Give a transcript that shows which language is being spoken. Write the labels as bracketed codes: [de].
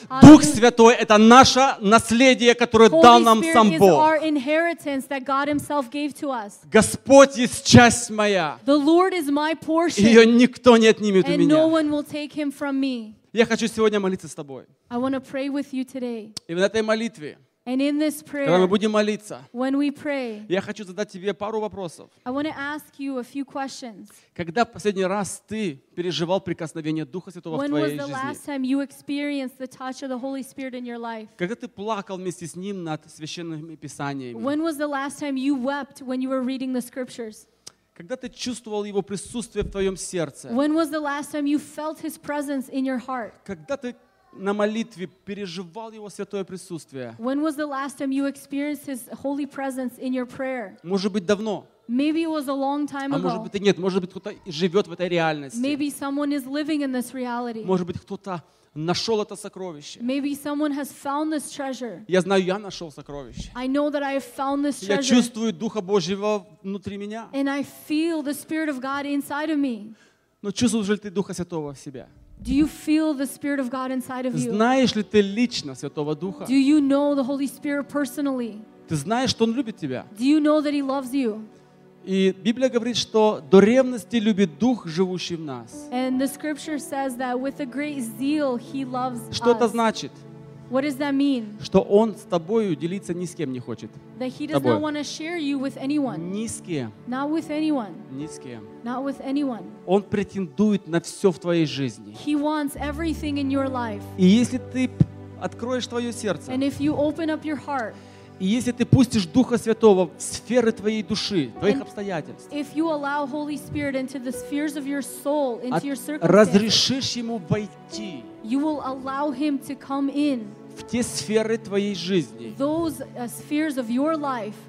[ru] Дух Святой — это наше наследие, которое дал нам сам Бог. [en] Holy Spirit is our inheritance that God Himself gave to us. [ru] Господь есть часть моя. [en] The Lord is my portion. [ru] Ее никто не отнимет у меня. [en] And no one will take Him from me. [ru] Я хочу сегодня молиться с тобой. [en] I want to pray with you today. [ru] И в этой молитве, [en] and in this prayer, [ru] когда мы будем молиться, [en] when we pray, [ru] я хочу задать тебе пару вопросов. [en] I want to ask you a few questions. [ru] Когда последний раз ты переживал прикосновение Духа Святого [en] when [ru] в твоей [en] was the [ru] жизни? [en] Last time you experienced the touch of the Holy Spirit in your life? [ru] Когда ты плакал вместе с Ним над священными писаниями? [en] When was the last time you wept when you were reading the scriptures? [ru] Когда ты чувствовал Его присутствие в твоем сердце? [en] When was the last time you felt His presence in your heart? [ru] Когда ты на молитве переживал Его святое присутствие? [en] When was the last time you experienced His holy presence in your prayer? [ru] Может быть, давно. [en] Maybe it was a long time ago. [ru] А может быть, и нет. Может быть, кто-то живет в этой реальности. [en] Maybe someone is living in this reality. [ru] Может быть, кто-то нашел это сокровище. [en] Maybe someone has found this treasure. [ru] Я знаю, я нашел сокровище. [en] I know that I have found this treasure. [ru] Я чувствую Духа Божьего внутри меня. [en] And I feel the Spirit of God inside of me. [ru] Но чувствуешь ли ты Духа Святого в себе? [en] Do you feel the Spirit of God inside of you? [ru] Знаешь ли ты лично Святого Духа? [en] Do you know the Holy Spirit personally? [ru] Ты знаешь, что Он любит тебя? [en] Do you know that He loves you? [ru] И Библия говорит, что до ревности любит Дух, живущий в нас. [en] And the scripture says that with a great zeal He loves us. [ru] Что это значит? [en] What does that mean? [ru] Что Он с тобою делиться ни с кем не хочет. [en] That He does not want to share you with anyone. [ru] Ни с кем. [en] Not with anyone. [ru] Ни с кем. [en] Not with anyone. [ru] Он претендует на все в твоей жизни. [en] He wants everything in your life. [ru] И если ты откроешь твое сердце, [en] and if you open up your heart, [ru] и если ты пустишь Духа Святого в сферы твоей души, твоих обстоятельств, [en] if you allow Holy Spirit into the spheres of your soul, into your circumstances, [ru] разрешишь Ему войти, [en] you will allow Him to come in, [ru] в те сферы твоей жизни, [en] those spheres of your life,